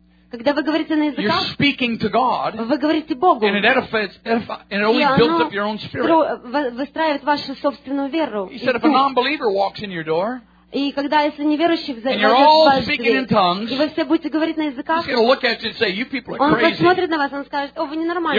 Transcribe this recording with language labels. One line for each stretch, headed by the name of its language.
Russian: Когда вы говорите на языках, вы говорите Богу.
English: And it edifies, and it only builds up your own spirit.
Russian: Выстраивает вашу собственную веру.
English: He said, if a non-believer walks in your door,
Russian: И когда если неверующих зайдет и вы все будете говорить на языках, он посмотрит на вас, он скажет: «О, вы ненормальные».